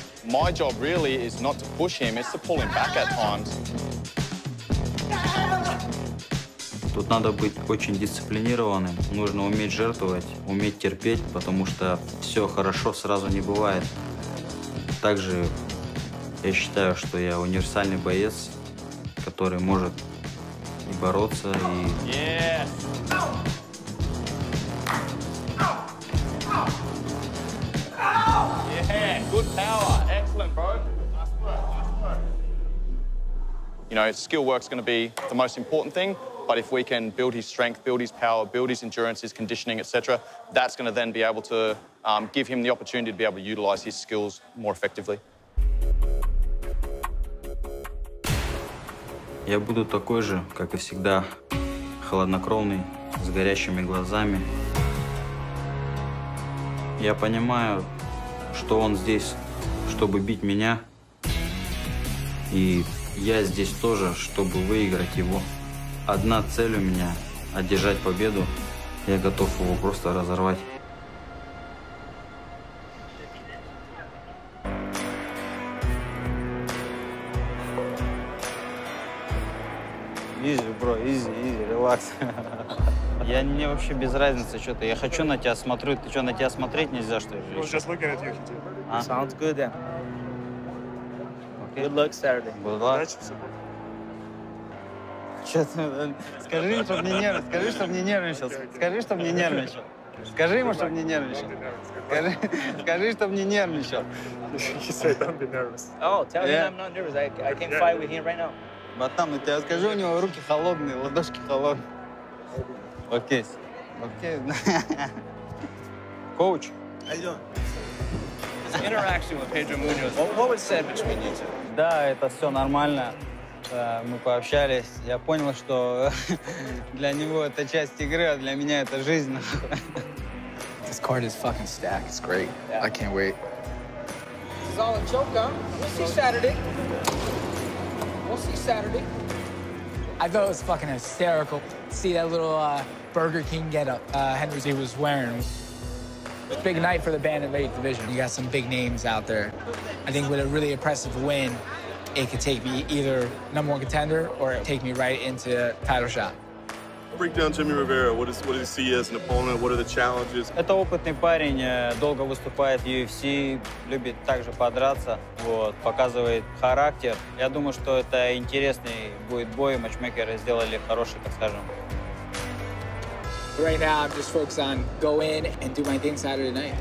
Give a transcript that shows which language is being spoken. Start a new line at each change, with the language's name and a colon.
English: My job really is not to push him, it's to pull him back at times.
Russian: Тут надо быть очень дисциплинированным. Нужно уметь жертвовать, уметь терпеть, потому что все хорошо сразу не бывает. Также я считаю, что я универсальный боец, который может бороться и...
English: Yes. hair. Good power. Excellent, bro. You know, skill work's going to be the most important thing, but if we can build his strength, build his power, build his endurance, his conditioning, etc., that's going to then be able to give him the opportunity to be able to utilise his skills more effectively.
Russian: Я буду такой же, как и всегда, холоднокровный, с горящими глазами. Я понимаю, что он здесь, чтобы бить меня, и я здесь тоже, чтобы выиграть его. Одна цель у меня – одержать победу. Я готов его просто разорвать.
English: Изи, бро, изи, изи, релакс.
Russian: Я не вообще без разницы, что ты. Я хочу на тебя смотрю. Ты что, на тебя смотреть нельзя, что ли? Сейчас выгорят юхи.
English: Sounds good, yeah. Good luck, Saturday. Good luck.
Russian: Скажи, чтобы не нервничал. Скажи, чтобы не нервничал. Скажи, чтобы не нервничал. Скажи ему, чтобы не нервничал. Скажи, чтобы не нервничал.
English: He said, don't be nervous. Oh, tell him I'm not nervous. I can fight with him right now.
Russian: Батан, я тебе скажу, у него руки холодные, ладошки холодные. Окей. Окей.
English: Коуч.
Russian: Да, это все нормально. Мы пообщались. Я понял, что для него это часть игры, а для меня это жизнь.
English: This card is fucking stacked. It's great. Yeah. I can't wait. This is all a choke, huh? We'll see Saturday. We'll see Saturday. I thought it was fucking hysterical. See that little Burger King getup Henry Z was wearing. It's a big night for the Bantamweight division. You got some big names out there. I think with a really impressive win, it could take me either number one contender or take me right into title shot. Break down Jimmy Rivera. What does he see as an opponent? What are the challenges?
Russian: Это опытный парень, долго выступает в UFC, любит также подраться, вот, показывает характер. Я думаю, что это интересный будет бой. Матчмейкеры сделали хороший, так скажем.
English: Right now, I'm just focused on go in and do my thing Saturday night.